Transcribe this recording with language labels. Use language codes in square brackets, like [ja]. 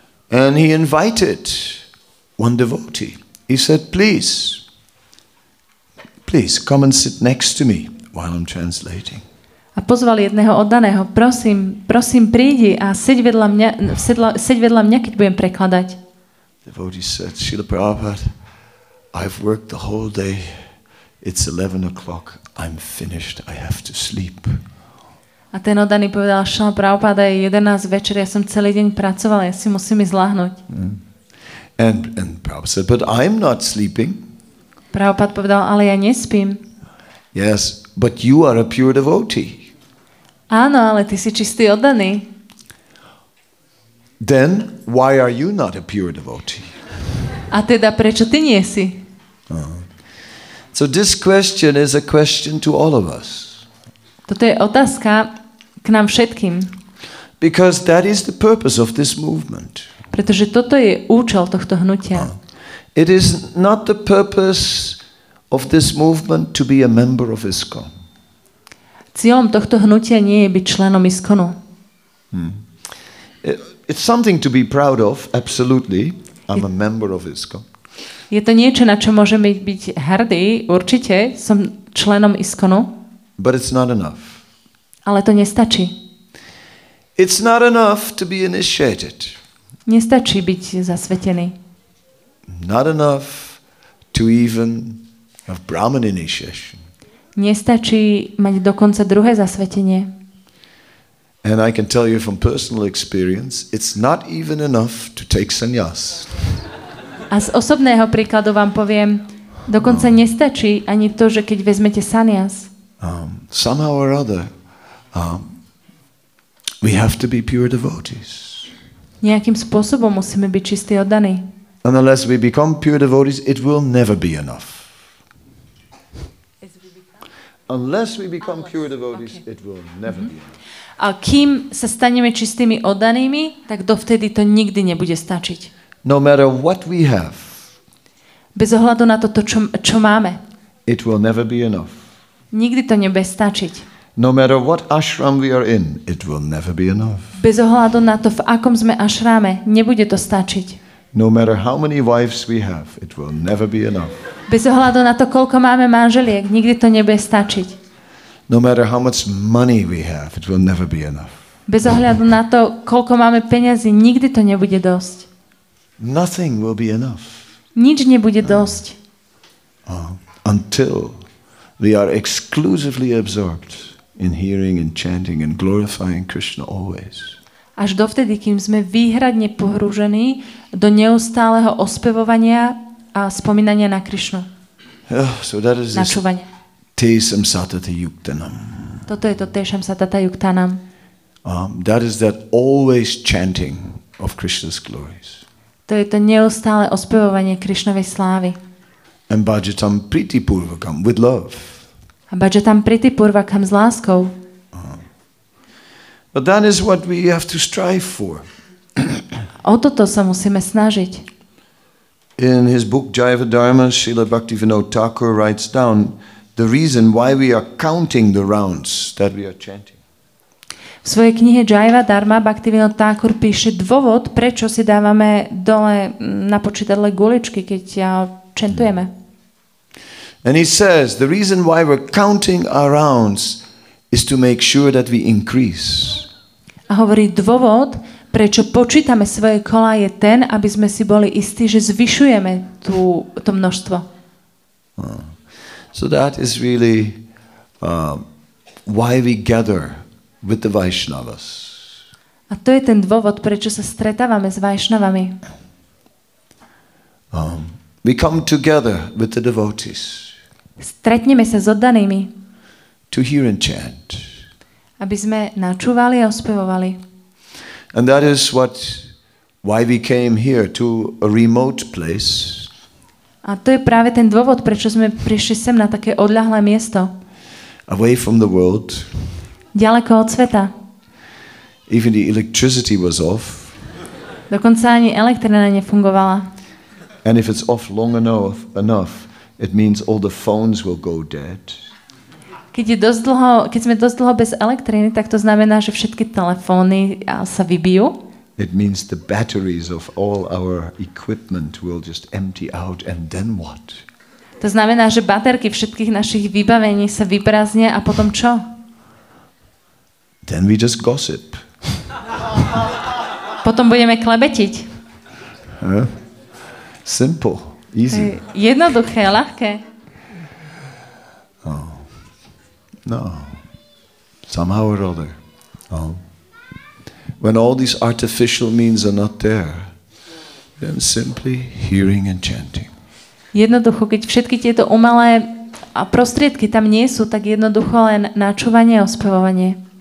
[en] And he invited one devotee. He said, please come and sit next to me while I'm translating. [sk] A pozval jedného oddaného, prosím, prídi a seď vedľa mňa, keď budem prekladať. [en] The devotee said, Srila Prabhupada, I've worked the whole day, it's 11 o'clock, I'm finished, I have to sleep. [sk] A ten oddaný povedal, Srila Prabhupada, je 11 večer, ja som celý deň pracoval, ja si musím ísť lahnúť. [en] And Prabhupada said, but I'm not sleeping. [sk] Prabhupada povedal, ale ja nespím. [en] Yes, but you are a pure devotee. [sk] Áno, ale ty si čistý oddaný. [en] Then why are you not a pure devotee? [sk] A teda prečo ty nie si? [en] So this question is a question to all of us. [sk] Toto je otázka k nám všetkým. [en] Because that is the purpose of this movement. [sk] Pretože toto je účel tohto hnutia. [en] It is not the purpose of this movement to be a member of ISKCON. [sk] Cieľom tohto hnutia nie je byť členom ISKCONu. [en] It's something to be proud of, absolutely. I'm a member of ISKCON. [sk] Je to niečo, na čo môžem byť hrdý, určite som členom ISKCONu. [en] But it's not enough. [sk] Ale to nestačí. [en] It's not enough to be initiated. [sk] Nestačí byť zasvetený. [en] Not enough to even have Brahman initiation. [sk] Nestačí mať dokonca druhé zasvetenie. [en] And I can tell you from personal experience, it's not even enough to take sannyas. [sk] A z osobného príkladu vám poviem, dokonca nestačí ani to, že keď vezmete sannyas. [en] Somehow or other, we have to be pure devotees. [sk] Nejakým spôsobom musíme byť čistí oddaní. [en] Unless we become pure devotees, it will never be enough. Unless we become pure devotees, it will never be enough. [sk] A kým sa staneme čistými oddanými, tak dovtedy to nikdy nebude stačiť. [en] No matter what we have. [sk] Bez ohľadu na to, čo máme. [en] It will never be enough. [sk] Nikdy to nebude stačiť. [en] No matter what ashram we are in, it will never be enough. [sk] Bez ohľadu na to, v akom sme ashrame, nebude to stačiť. [en] No matter how many wives we have, it will never be enough. [sk] Bez ohľadu na to, koľko máme manželiek, nikdy to nebude stačiť. [en] No matter how much money we have, it will never be enough. [sk] Bez ohľadu na to, koľko máme peňazí, nikdy to nebude dosť. [en] Nothing will be enough. [sk] Nič nebude dosť. [en] Until we are exclusively absorbed in hearing and chanting and glorifying Krishna always. [sk] Až dovtedy, kým sme výhradne pohrúžení do neustáleho ospevovania a spomínania na Krišnu. [en] So that is [sk] načúvanie. [sa] Tesham satata yuktanam. [sk] Toto je to [sa] tesham satata yuktanam. [en] That is that always chanting of Krishna's glories. [sk] To je to neustále ospevovanie Krišnovej slávy. [en] And [sa] bhajatam priti purvakam [en] with love. [sk] A [sa] bhajatam priti purvakam [sk] s láskou. [en] But that is what we have to strive for. [sk] O toto sa musíme snažiť. [en] In his book Jiva Dharma, Srila Bhaktivinoda Thakur writes down the reason why we are counting the rounds that we are chanting. [sk] V svojej knihe Jiva Dharma Bhaktivinoda Thakur píše dôvod, prečo si dávame dole na počítadle guličky, keď čentujeme. [en] And he says the reason why we're counting our rounds is to make sure that we increase. [sk] A hovorí dôvod, prečo počítame svoje kola, je ten, aby sme si boli istí, že zvyšujeme to množstvo. [en] So that is really why we gather with the Vaishnavas. [sk] A to je ten dôvod, prečo sa stretávame s Vaishnavami. [en] We come together with the devotees. [sk] Stretneme sa s oddanými. [en] To hear and chant. [sk] Aby sme načúvali a ospevovali. [en] And that is why we came here to a remote place. [sk] A to je práve ten dôvod, prečo sme prišli sem na také odľahlé miesto. [en] Away from the world. [sk] Ďaleko od sveta. [en] Even the electricity was off. [sk] Dokonca ani elektrina nefungovala. [en] And if it's off long enough, it means all the phones will go dead. [sk] Keď sme dosť dlho bez elektriny, tak to znamená, že všetky telefóny sa vybijú. [en] It means the batteries of all our equipment will just empty out and then what? [sk] To znamená, že baterky všetkých našich vybavení sa vyprázdnia a potom čo? [en] Then we just gossip. [sk] Potom budeme klebetiť. [en] Simple, easy. [sk] Jednoduché, ľahké. [en] No, somehow or other. When all these artificial means are not there, then simply hearing and chanting. [sk] Jednoducho, keď všetky tieto umelé prostriedky tam nie sú, tak jednoducho len načúvanie a ospevovanie.